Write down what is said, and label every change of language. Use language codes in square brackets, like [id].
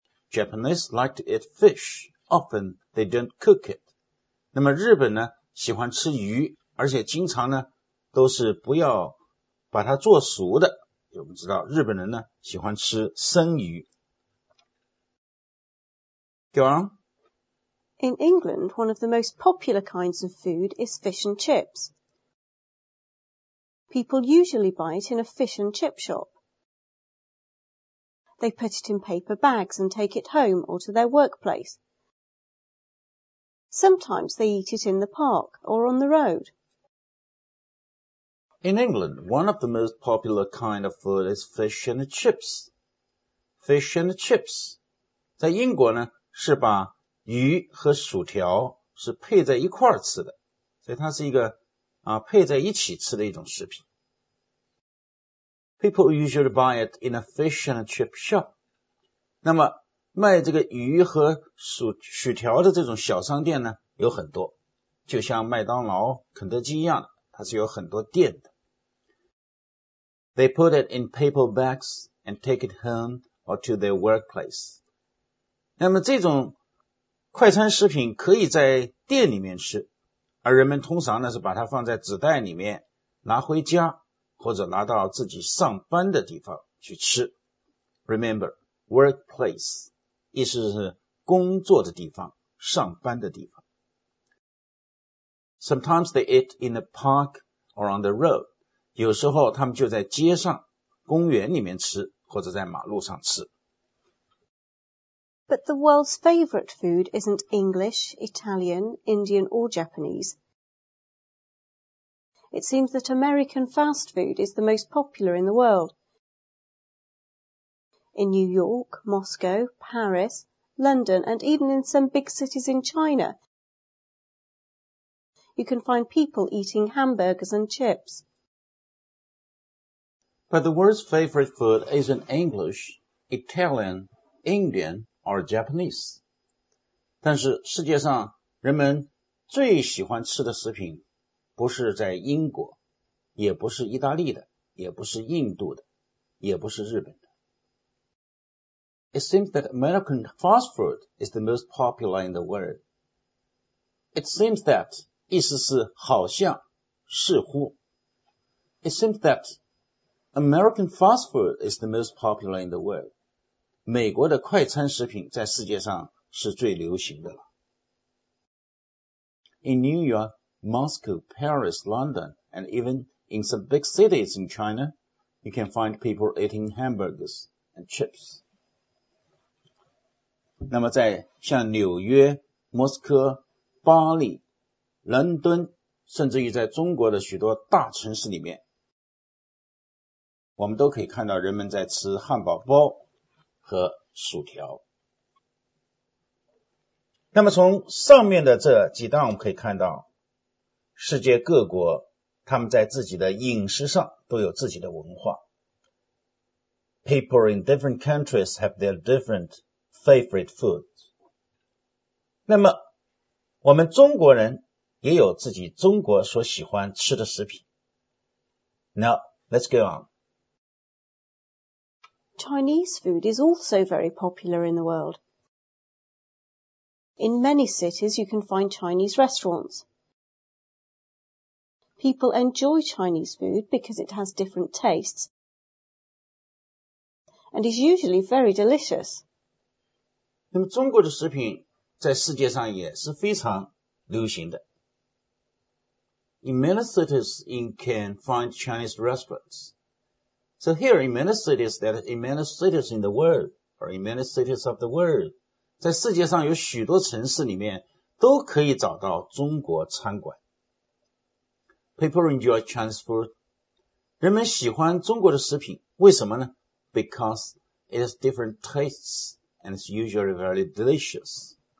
[en] Japanese like to eat fish. Often they don't cook it. [zh] 那么日本呢喜欢吃鱼，而且经常呢都是不要把它做熟的。我们知道日本人呢喜欢吃生鱼。 [en] Go on. In England, one of the most popular kinds of food is fish and chips. People usually buy it in a fish and chip shop. They put it in paper bags and take it home or to their workplace. Sometimes they eat it in the park or on the road. In England, one of the most popular kind of food is fish and chips. Fish and chips. [zh] 在英国呢，是把鱼和薯条是配在一块儿吃的，所以它是一个啊配在一起吃的一种食品。 [en] People usually buy it in a fish and chip shop. [zh] 那么卖这个鱼和薯条的这种小商店呢有很多，就像麦当劳、肯德基一样，它是有很多店的。 [en] They put it in paper bags and take it home or to their workplace. [zh] 那么这种快餐食品可以在店里面吃，而人们通常呢是把它放在纸袋里面拿回家，或者拿到自己上班的地方去吃。 [en] Remember, workplace, [zh] 意思是工作的地方，上班的地方。 [en] Sometimes they eat in the park or on the road. [zh] 有时候他们就在街上、公园里面吃，或者在马路上吃。 [en] But the world's favorite food isn't English, Italian, Indian, or Japanese. It seems that American fast food is the most popular in the world. In New York, Moscow, Paris, London, and even in some big cities in China, you can find people eating hamburgers and chips. But the world's favorite food isn't English, Italian, Indian,or Japanese. [zh] 但是世界上人们最喜欢吃的食品不是在英国，也不是意大利的，也不是印度的，也不是日本的。 [en] It seems that American fast food is the most popular in the world. It seems that, [zh] 意思是好像，似乎。 [en] It seems that American fast food is the most popular in the world. [zh] 美国的快餐食品在世界上是最流行的了。 [en] In New York, Moscow, Paris, London, and even in some big cities in China, you can find people eating hamburgers and chips. [zh] 那么在像纽约、莫斯科、巴黎、伦敦，甚至于在中国的许多大城市里面，我们都可以看到人们在吃汉堡包和薯条。那么从上面的这几段我们可以看到，世界各国他们在自己的饮食上都有自己的文化。 [en] People in different countries have their different favorite foods. [zh] 那么我们中国人也有自己中国所喜欢吃的食品。 [en] Now, let's go on. Chinese food is also very popular in the world. In many cities, you can find Chinese restaurants. People enjoy Chinese food because it has different tastes and is usually very delicious. [zh] 那么中国的食品在世界上也是非常流行的。 [en] In many cities, you can find Chinese restaurants. So here, in many cities of the world, [zh] 在世界上有许多城市里面都可以找到中国餐馆。 [en] People enjoy Chinese food. [zh] 人们喜欢中国的食品，为什么呢？ [en] Because it has different tastes and it's usually very delicious.